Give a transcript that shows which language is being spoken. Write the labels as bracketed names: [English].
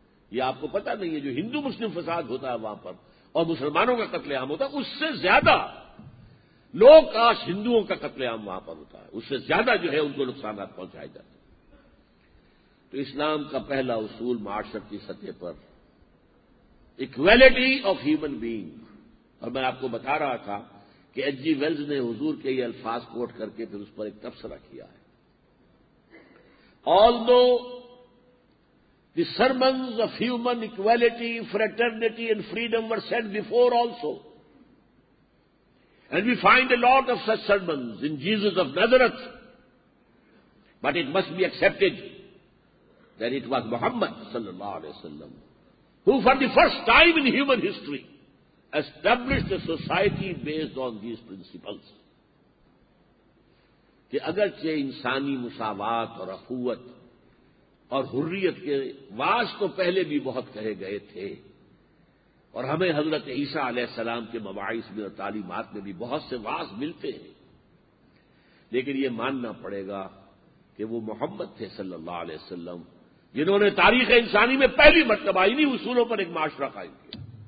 [Urdu] یہ آپ کو پتہ نہیں ہے جو ہندو مسلم فساد ہوتا ہے وہاں پر اور مسلمانوں کا قتل عام ہوتا ہے، اس سے زیادہ لوگ کاش ہندوؤں کا قتل عام وہاں پر ہوتا ہے، اس سے زیادہ جو ہے ان کو نقصانات پہنچائے جاتے ہیں. تو اسلام کا پہلا اصول معاشرتی سطح پر اکویلٹی آف ہیومن بینگ، اور میں آپ کو بتا رہا تھا کہ ایچ جی ویلز نے حضور کے یہ الفاظ کوٹ کر کے پھر اس پر ایک تبصرہ کیا ہے. [English] Although the sermons of human equality, fraternity and freedom were said before also, and we find a lot of such sermons in Jesus of Nazareth, but it must be accepted that it was Muhammad sallallahu alaihi wasallam who for the first time in human history established a society based on these principles. [Urdu] کہ اگرچہ انسانی مساوات اور اخوت اور حریت کے واعظ تو پہلے بھی بہت کہے گئے تھے، اور ہمیں حضرت عیسیٰ علیہ السلام کے مواعظ میں اور تعلیمات میں بھی بہت سے واعظ ملتے ہیں، لیکن یہ ماننا پڑے گا کہ وہ محمد تھے صلی اللہ علیہ وسلم، جنہوں نے تاریخ انسانی میں پہلی مرتبہ انہی اصولوں پر ایک معاشرہ قائم کیا.